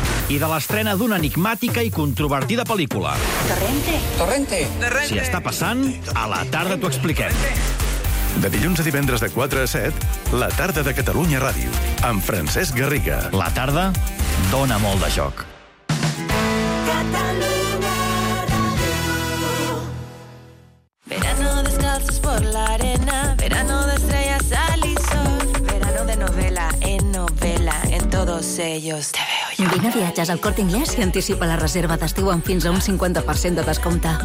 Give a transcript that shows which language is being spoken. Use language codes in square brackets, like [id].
[ca] i de l'estrena d'una enigmàtica i controvertida pel·lícula. Torrente. Torrente. Torrente. Si està passant, a la tarda t'ho expliquem. De dilluns a divendres de 4 a 7, la tarda de Catalunya Ràdio, amb Francesc Garriga. La tarda dona molt de joc. [es] Verano descalzos por la arena, verano de estrellas, sal y sol, verano de novela en novela, en todos ellos te veo. [ca] Vine a Viatges al Corte Inglés i anticipa la reserva d'estiu amb fins a un 50% de descompte.